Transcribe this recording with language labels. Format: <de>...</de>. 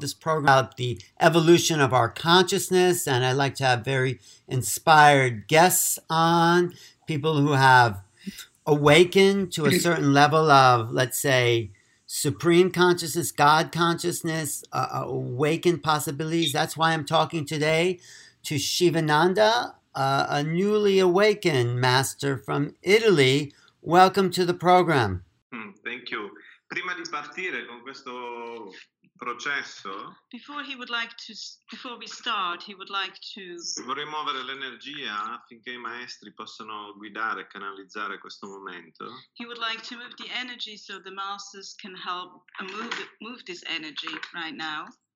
<en>This program is about the evolution of our consciousness, and I like to have very inspired guests on, people who have awakened to a certain level of, let's say, supreme consciousness, God consciousness, awakened possibilities. That's why I'm talking today to Shivananda, a newly awakened master from Italy. Welcome to the program. Thank you.</en> <it>Prima di partire con questo processo, vorrei muovere l'energia affinché i maestri possano guidare e canalizzare questo momento.</it> <en>He would like to move the energy so the masters can help move this energy right now.</en>